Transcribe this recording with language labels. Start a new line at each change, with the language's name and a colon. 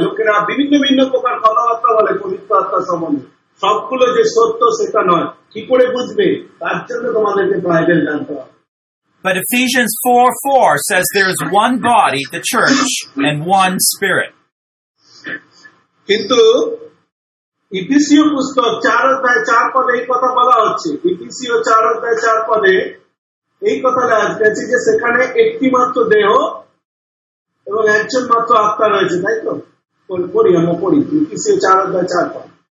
Bangla: লোকেরা বিভিন্ন ভিন্ন প্রকার কথাবার্তা বলে পবিত্র আত্মা সম্বন্ধে, সবগুলো যে সত্য সেটা নয়, কি করে বুঝবে? তার জন্য তোমাদেরকে বাইবেল জানতে হবে।
English: But Ephesians 4:4 says there is one body, the church, and one spirit.
Bangla: কিন্তু ইফিসিয় পুস্তক 4:4 পদে এই কথা বলা হচ্ছে, ইফিসিয় 4:4 পদে এই কথা লেখা আছে যে সেখানে একটি মাত্র দেহ এবং একজন মাত্র আত্মা রয়েছে, তাই তো? পড়ি আমরা পড়ি ইফিসিয় 4:4 পদ।